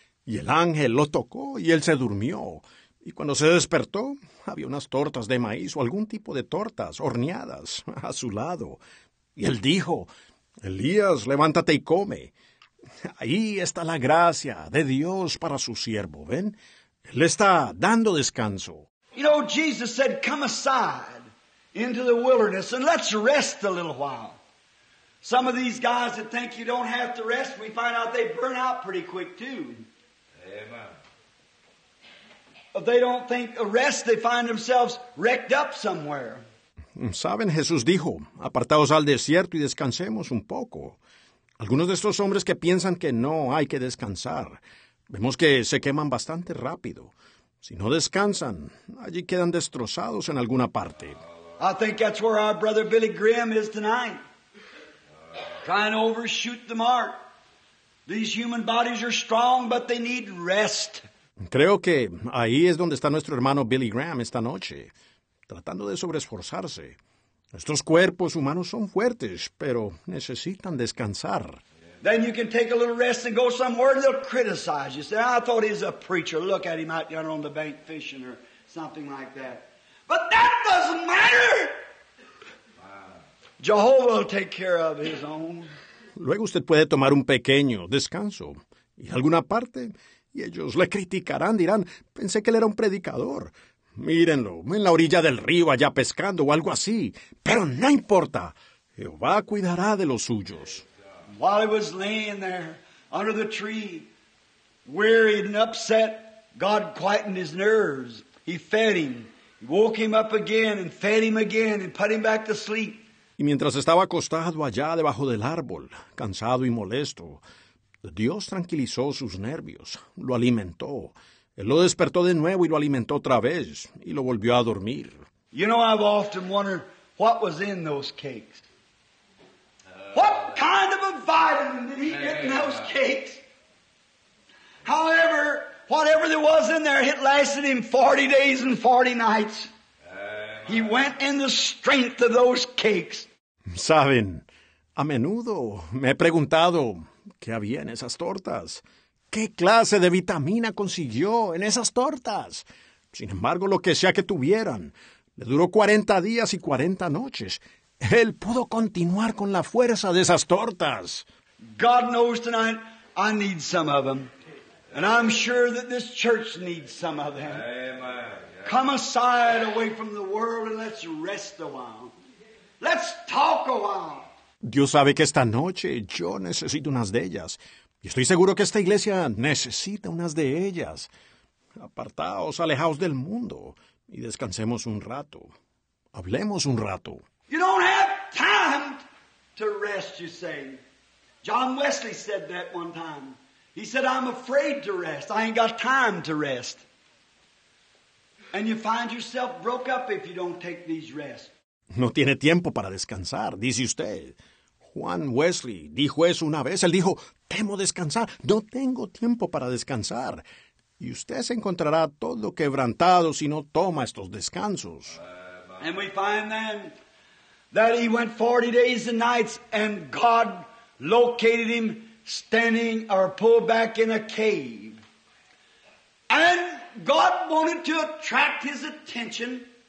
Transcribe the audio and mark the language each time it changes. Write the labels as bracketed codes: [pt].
[es] Y el ángel lo tocó y él se durmió. Y cuando se despertó, había unas tortas de maíz o algún tipo de tortas horneadas a su lado. Y él dijo, Elías, levántate y come. Ahí está la gracia de Dios para su siervo, ¿ven? Él está dando descanso. [en] You know, Jesus said, come aside into the wilderness and let's rest a little while. Some of these guys that think you don't have to rest, we find out they burn out pretty quick too. Amen. If they don't think a rest, they find themselves wrecked up somewhere. [es] ¿Saben? Jesús dijo, apartaos al desierto y descansemos un poco. Algunos de estos hombres que piensan que no hay que descansar, vemos que se queman bastante rápido. Si no descansan, allí quedan destrozados en alguna parte. [en] I think that's where our brother Billy Graham is tonight. Trying to overshoot the mark. These human bodies are strong, but they need rest. [es] Creo que ahí es donde está nuestro hermano Billy Graham esta noche, tratando de sobreesforzarse. Estos cuerpos humanos son fuertes, pero necesitan descansar. [en] Then you can take a little rest and go somewhere and they'll criticize you. Say, I thought he was a preacher. Look at him out there on the bank fishing or something like that. But that doesn't matter. Jehovah will take care of his own. [es] Luego usted puede tomar un pequeño descanso. Y alguna parte, y ellos le criticarán, dirán, pensé que él era un predicador. Mírenlo, en la orilla del río allá pescando o algo así. Pero no importa, Jehová cuidará de los suyos. [en] While he was laying there under the tree, weary and upset, God quietened his nerves. He fed him, he woke him up again and fed him again and put him back to sleep. [es] Y mientras estaba acostado allá debajo del árbol, cansado y molesto, Dios tranquilizó sus nervios, lo alimentó. Él lo despertó de nuevo y lo alimentó otra vez, y lo volvió a dormir. [en] You know, I've often wondered what was in those cakes. What kind of a vitamin did he get in those cakes? However, whatever there was in there, it lasted him 40 days and 40 nights. He went in the strength of those cakes. [es] Saben, a menudo me he preguntado qué había en esas tortas. ¿Qué clase de vitamina consiguió en esas tortas? Sin embargo, lo que sea que tuvieran, le duró 40 días y 40 noches. Él pudo continuar con la fuerza de esas tortas. [en] God knows tonight I need some of them. And I'm sure that this church needs some of them. Amen. Come aside away from the world and let's rest a while. Let's talk a while. [es] Dios sabe que esta noche yo necesito unas de ellas. Y estoy seguro que esta iglesia necesita unas de ellas. Apartaos, alejaos del mundo y descansemos un rato. Hablemos un rato. [en] You don't have time to rest, you say. John Wesley said that one time. He said, I'm afraid to rest. I ain't got time to rest. And you find yourself broke up if you don't take these rests. [es] No tiene tiempo para descansar, dice usted. Juan Wesley dijo eso una vez. Él dijo, temo descansar. No tengo tiempo para descansar. Y usted se encontrará todo quebrantado si no toma estos descansos. [en] And we find then that he went 40 days and nights and God located him standing or pulled back in a cave. And God wanted to attract his attention.